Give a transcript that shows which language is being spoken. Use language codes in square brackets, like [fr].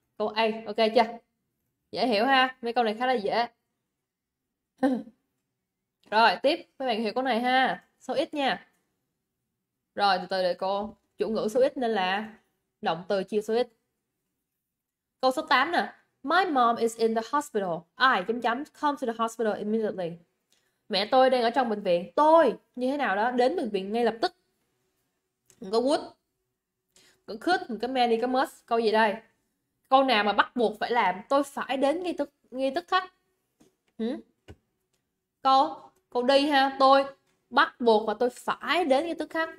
[vi] Câu A, ok chưa? Dễ hiểu ha, mấy câu này khá là dễ. Rồi, tiếp, mấy bạn hiểu câu này ha. Số ít nha. Rồi, từ từ để cô. Chủ ngữ số ít nên là động từ chia số ít. Câu số 8 nè. [en] My mom is in the hospital. I [vi] chấm chấm [en] come to the hospital immediately. [vi] Mẹ tôi đang ở trong bệnh viện. Tôi như thế nào đó đến bệnh viện ngay lập tức. Mình có would, có could, mình có may, mình có must. Câu gì đây? Câu nào mà bắt buộc phải làm, tôi phải đến ngay tức khắc. Câu đi ha, tôi bắt buộc và tôi phải đến ngay tức khắc.